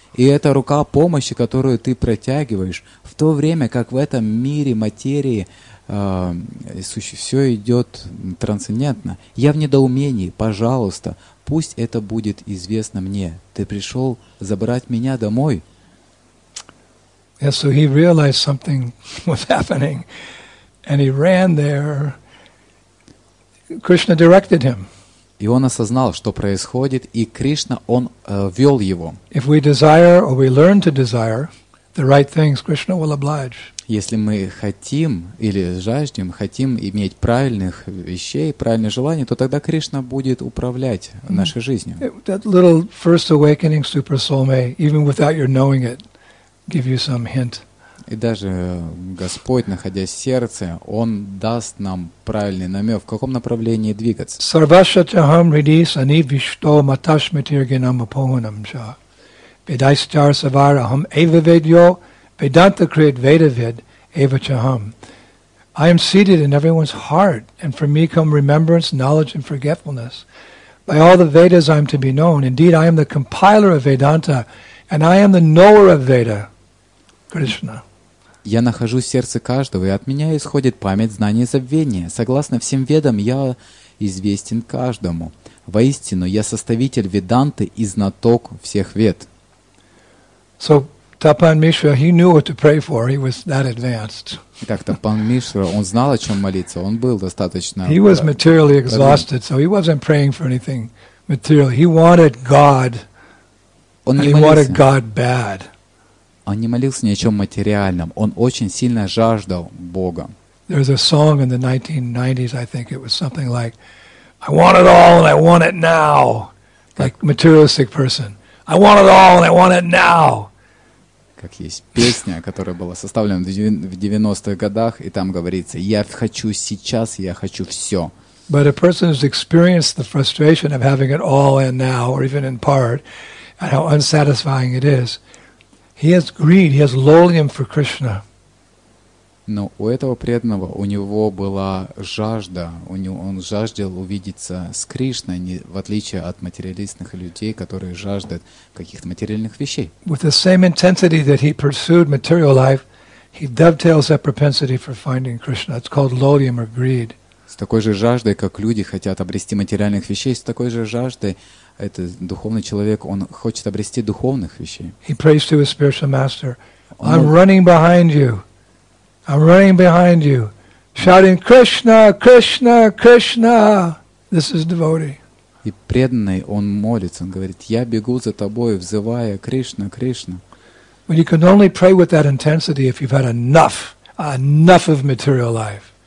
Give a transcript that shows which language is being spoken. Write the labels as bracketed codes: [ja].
[ru] И это рука помощи, которую ты протягиваешь, в то время как в этом мире материи все идет трансцендентно. Я в недоумении, пожалуйста, пусть это будет известно мне. Ты пришел забрать меня домой. [en] Yes, so he realized something was happening, and he ran there. Krishna directed him. [ru] И он осознал, что происходит, и Кришна, он вел его. [en] If we desire or we learn to desire the right things, Krishna will oblige. [ru] Если мы хотим или жаждем, хотим иметь правильных вещей, правильные желания, то тогда Кришна будет управлять нашей жизнью. [en] That little first awakening super soul may, even without your knowing it, give you some hint. [ru] И даже Господь, находясь в сердце, Он даст нам правильный намек, в каком направлении двигаться. [sa] Sarvasya chaham ridhi sani vishto matashmitir ginam apohunam cha. Vedaischar savar aham eva vedyo. Vedanta Krit Vedavid Eva Chaham. [en] I am seated in everyone's heart, and from me come remembrance, knowledge, and forgetfulness. By all the Vedas I am to be known. Indeed, I am the compiler of Vedanta, and I am the knower of Veda, Krishna. [ru] Я нахожусь в сердце каждого, и от меня исходит память, знание и забвение. Согласно всем ведам, я известен каждому. Воистину, я составитель Веданты и знаток всех вед. [en] So, Tapan Mishra, he knew what to pray for. He was that advanced. [ru] Итак, Тапан Мишра, он знал, о чем молиться. Он был достаточно. [en] He was materially exhausted, so he wasn't praying for anything material. He wanted God. [ru] Он не молился. [en] He wanted God bad. [ru] он не молился ни о чем материальном, он очень сильно жаждал Бога. [en] There was a song in the 1990s, I think it was something like, I want it all and I want it now. Like materialistic person. I want it all and I want it now. [ru] Как есть песня, которая была составлена в 90-х годах, и там говорится, я хочу сейчас, я хочу все. [en] But a person who's experienced the frustration of having it all and now, or even in part, and how unsatisfying it is, he has greed, he has longing for Krishna. [ru] Но у этого преданного, у него была жажда, у него, он жаждал увидеться с Кришной, не, в отличие от материалистных людей, которые жаждут каких-то материальных вещей. [en] With the same intensity that he pursued material life, he dovetails that propensity for finding Krishna. It's called lolium or greed. [ru] С такой же жаждой, как люди хотят обрести материальных вещей, с такой же жаждой, этот духовный человек, он хочет обрести духовных вещей. [en] He prays to his spiritual master, I'm running behind you. I'm running behind you, shouting Krishna, Krishna, Krishna. This is devotee. [ru] И преданный он молится, он говорит: "Я бегу за тобой, взывая Кришна, Кришна." [en] But you can only pray with that intensity if you've had enough of material life.